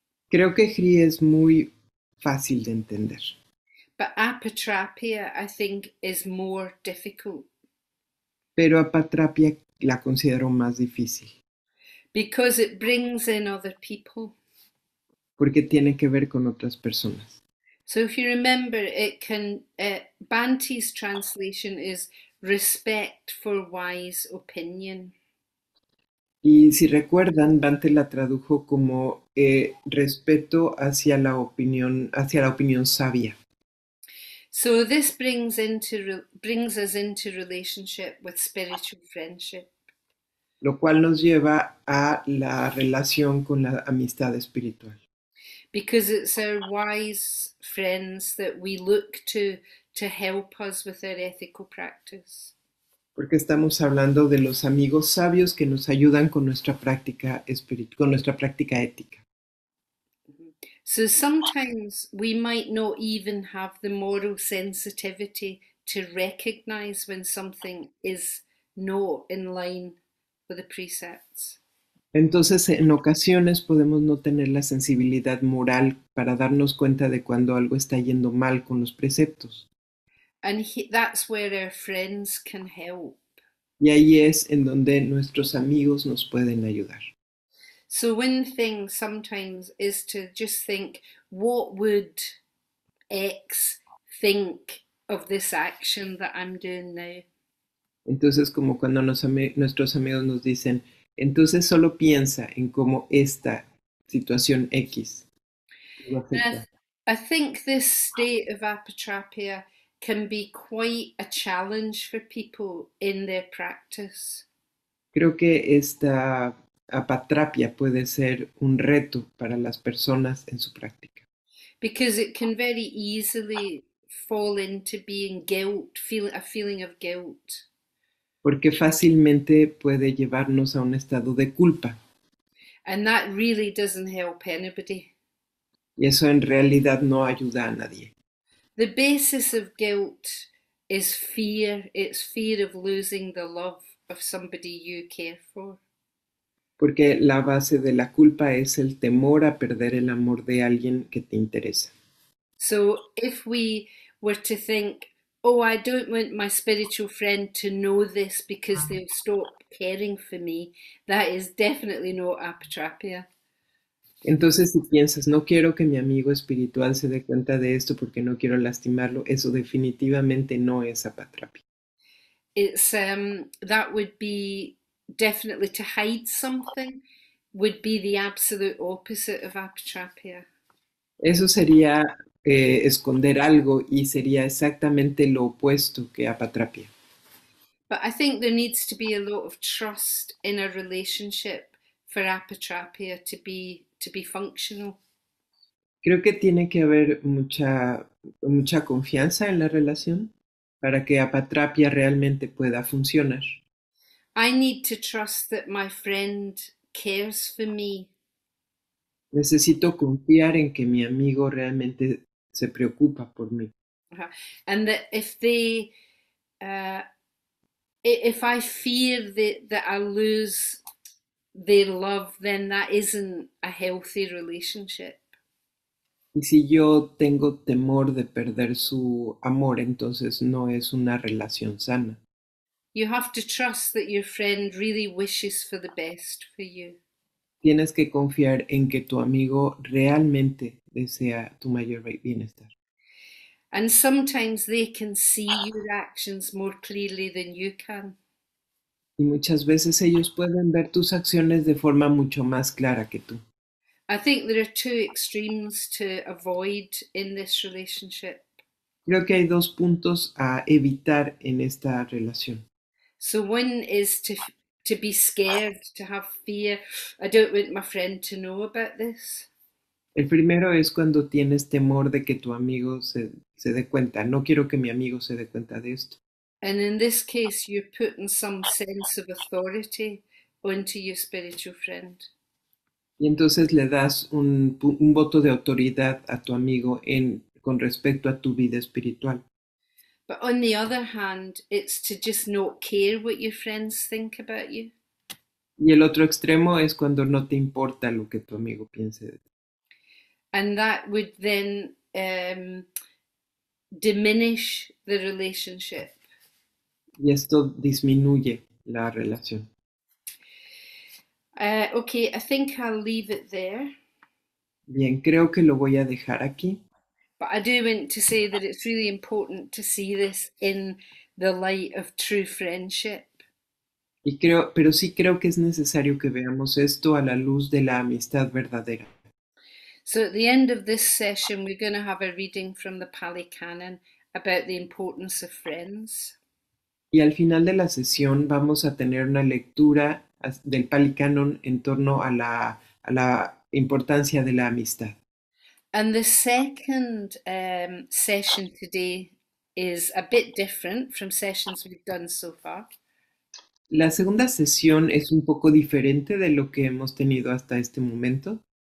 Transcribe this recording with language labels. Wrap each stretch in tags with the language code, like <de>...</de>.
<es>Creo que Hri es muy fácil de entender.</es> <en>But apatrapya, I think, is more difficult.</en> <es>Pero apatrapya la considero más difícil.</es> <en>Because it brings in other people.</en> <es>Porque tiene que ver con otras personas.</es> <en>So if you remember, it can Banti's translation is respect for wise opinion.</en> <es>Y si recuerdan, Dante la tradujo como respeto hacia la opinión sabia.</es> <en>So this brings into brings us into relationship with spiritual friendship.</en> <es>Lo cual nos lleva a la relación con la amistad espiritual.</es> <en>Because it's our wise friends that we look to help us with our ethical practice.</en> <es>Porque estamos hablando de los amigos sabios que nos ayudan con nuestra práctica espiritual, con nuestra práctica ética.</es> <en>So sometimes we might not even have the moral sensitivity to recognize when something is not in line with the precepts.</en> <es>Entonces, en ocasiones podemos no tener la sensibilidad moral para darnos cuenta de cuando algo está yendo mal con los preceptos.</es> <en>And that's where our friends can help.</en> <es>Y ahí es en donde nuestros amigos nos pueden ayudar.</es> <en>So one thing sometimes is to just think, what would X think of this action that I'm doing now?</en> <es>Entonces, como cuando nuestros amigos nos dicen, entonces solo piensa en cómo esta situación X lo afecta.</es> <en>I think this state of apatrapya can be quite a challenge for people in their practice.</en> <es>Creo que esta apatrapia puede ser un reto para las personas en su práctica.</es> <en>Because it can very easily fall into being guilt, a feeling of guilt.</en> <es>Porque fácilmente puede llevarnos a un estado de culpa.</es> <en>And that really doesn't help anybody.</en> <es>Y eso en realidad no ayuda a nadie.</es> <en>The basis of guilt is fear. It's fear of losing the love of somebody you care for.</en> <es>Porque la base de la culpa es el temor a perder el amor de alguien que te interesa.</es> <en>So if we were to think, oh, I don't want my spiritual friend to know this because they'll stop caring for me, that is definitely not apatrapya.</en> <es>Entonces, si piensas, no quiero que mi amigo espiritual se dé cuenta de esto porque no quiero lastimarlo, eso definitivamente no es apatrapia.</es> <en>It's, that would be definitely to hide something, would be the absolute opposite of apatrapia.</en> <es>Eso sería esconder algo y sería exactamente lo opuesto que apatrapia.</es> <en>But I think there needs to be a lot of trust in a relationship for apatrapia to be functional.</en> <es>Creo que tiene que haber mucha confianza en la relación para que apatrapia realmente pueda funcionar.</es> <en>I need to trust that my friend cares for me.</en> <es>Necesito confiar en que mi amigo realmente se preocupa por mí.</es> <en>And that if I fear that I lose their love, then that isn't a healthy relationship.</en> <es>Y si yo tengo temor de perder su amor, entonces no es una relación sana.</es> <en>You have to trust that your friend really wishes for the best for you.</en> <es>Tienes que confiar en que tu amigo realmente desea tu mayor bienestar.</es> <en>And sometimes they can see your actions more clearly than you can.</en> <es>Y muchas veces ellos pueden ver tus acciones de forma mucho más clara que tú.</es> <en>I think there are two extremes to avoid in this relationship.</en> <es>Creo que hay dos puntos a evitar en esta relación.</es> <en>So one is to be scared, to have fear. I don't want my friend to know about this.</en> <es>El primero es cuando tienes temor de que tu amigo se dé cuenta. No quiero que mi amigo se dé cuenta de esto.</es> <en>And in this case, you're putting some sense of authority onto your spiritual friend.</en> <es>Y entonces le das un voto de autoridad a tu amigo con respecto a tu vida espiritual.</es> <en>But on the other hand, it's to just not care what your friends think about you.</en> <es>Y el otro extremo es cuando no te importa lo que tu amigo piense de ti.</es> <en>And that would then diminish the relationship.</en> <es>Y esto disminuye la relación.</es> <en>Okay, I think I'll leave it there.</en> <es>Bien, creo que lo voy a dejar aquí.</es> <en>But I do want to say that it's really important to see this in the light of true friendship.</en> <es>Y creo, pero sí creo que es necesario que veamos esto a la luz de la amistad verdadera.</es> <en>So at the end of this session, we're going to have a reading from the Pali Canon about the importance of friends.</en> <es>Y al final de la sesión vamos a tener una lectura del Pali Canon en torno a la importancia de la amistad.</es> <en>And the second session today is a bit different from sessions we've done so far.</en> <es>La segunda sesión es un poco diferente de lo que hemos tenido hasta este momento.</es>